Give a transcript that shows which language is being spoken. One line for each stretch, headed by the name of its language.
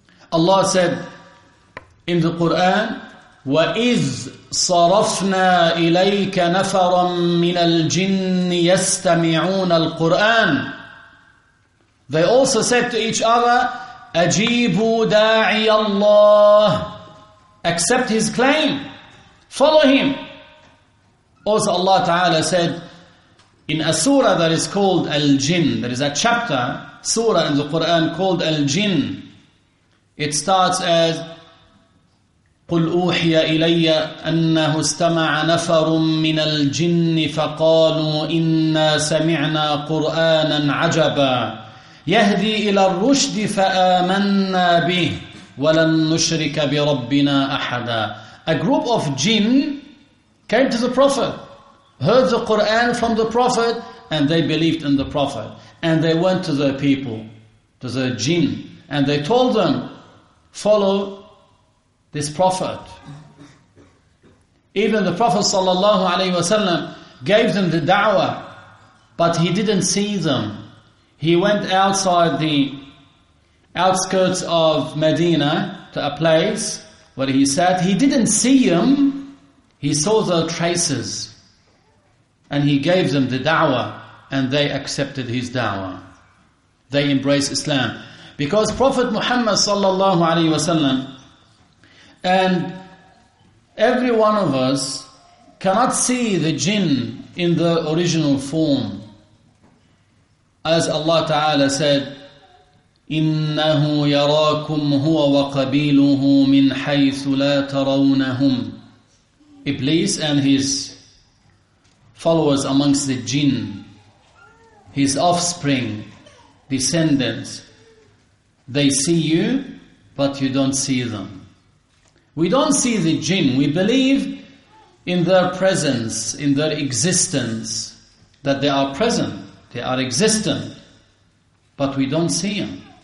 English: Allah said in the Quran,
Arabic: وَإِذْ صَرَفْنَا إِلَيْكَ نَفَرًا مِنَ الْجِنِّ يَسْتَمِعُونَ الْقُرْآنِ.
English: They also said to each other,
Arabic: أَجِيبُوا دَاعِيَ اللَّهِ.
English: Accept his claim. Follow him. Also Allah Ta'ala said, in a surah that is called Al-Jinn, there is a chapter, surah in the Quran called Al-Jinn. It starts as,
Arabic: قُلْ أُوحِيَ إِلَيَّ أَنَّهُ اسْتَمَعَ نَفَرٌ مِّنَ الْجِنِّ فَقَالُوا إِنَّا سَمِعْنَا قُرْآنًا عَجَبًا يَهْدِي إِلَى الرُّشْدِ فَآمَنَّا بِهِ وَلَنْ نُشْرِكَ بِرَبِّنَا أَحَدًا.
English: A group of jinn came to the Prophet, heard the Qur'an from the Prophet, and they believed in the Prophet. And they went to the people, to the jinn, and they told them, follow this Prophet. Even the Prophet sallallahu alaihi wasallam gave them the da'wah, but he didn't see them. He went outside the outskirts of Medina to a place where he sat. He didn't see them. He saw the traces, and he gave them the da'wah, and they accepted his da'wah. They embraced Islam because Prophet Muhammad sallallahu alaihi wasallam. And every one of us cannot see the jinn in the original form. As Allah Ta'ala said,
Arabic: إِنَّهُ يَرَاكُمْ هُوَ وَقَبِيلُهُ مِنْ حَيْثُ لَا تَرَوْنَهُمْ.
English: Iblis and his followers amongst the jinn, his offspring, descendants, they see you, but you don't see them. We don't see the jinn. We believe in their presence, in their existence, that they are present, they are existent, but we don't see them.